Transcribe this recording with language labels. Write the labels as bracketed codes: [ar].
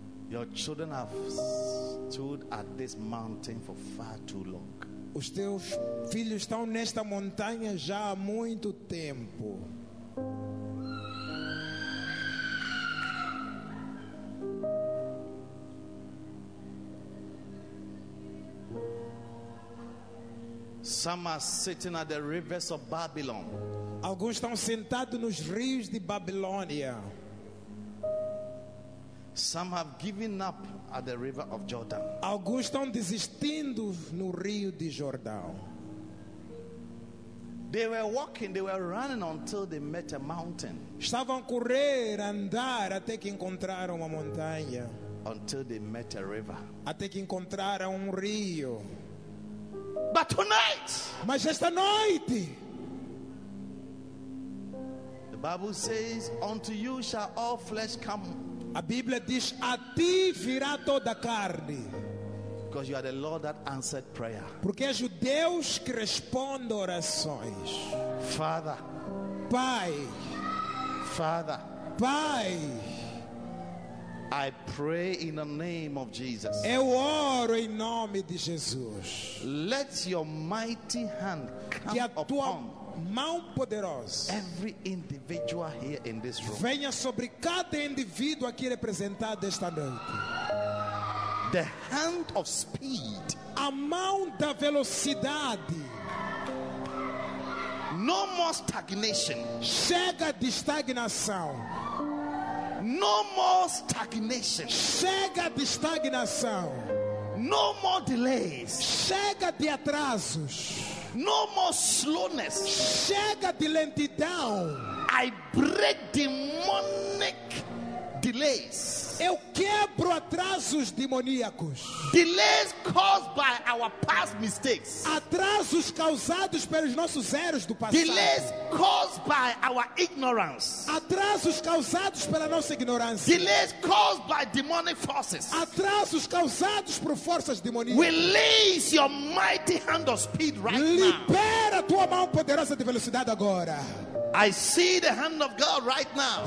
[en] Your children have stood at this mountain for far too long. [pt] Os teus filhos estão nesta montanha já há muito tempo. [en] Some are sitting at the rivers of Babylon. [pt] Alguns estão sentados nos rios de Babilônia. [en] Some have given up at the river of Jordan. [pt] Alguns estão desistindo no rio de Jordão. [en] They were walking, they were running until they met a mountain. [pt] Estavam a correr, a andar até que encontraram uma montanha. [en] Until they met a river. [pt] Até que encontraram rio. [en] But tonight, [pt] mas esta noite, [en] the Bible says, "Unto you shall all flesh come." [pt] A Bíblia diz: "A ti virá toda carne." [en] Because you are the Lord that answered prayer. [pt] Porque és o Deus que responde orações. [en] Father, [pt] Pai, [en] Father, [pt] Pai. [en] I pray in the name of Jesus. [pt] Eu oro em nome de Jesus. [en] Let your mighty hand come upon. [pt] Que a tua mão poderosa. [en] Every individual here in this room. [pt] Venha sobre cada indivíduo aqui representado esta noite. [en] The hand of speed. [pt] A mão da velocidade. [en] No more stagnation. [pt] Chega de estagnação. [en] No more stagnation. [pt] Chega de estagnação. [en] No more delays. [pt] Chega de atrasos. [en] No more slowness. [pt] Chega de lentidão. [en] I break demonic delays. [pt] Eu quebro atrasos demoníacos. [en] Delays caused by our past mistakes. [pt] Atrasos causados pelos nossos erros do passado. [en] Delays caused by our ignorance. [pt] Atrasos causados pela nossa ignorância. [en] Delays caused by demonic forces. [pt] Atrasos causados por forças demoníacas. [en] Release your mighty hand of speed right now. [pt] Libera tua mão poderosa de velocidade agora. [en] I see the hand of God right now.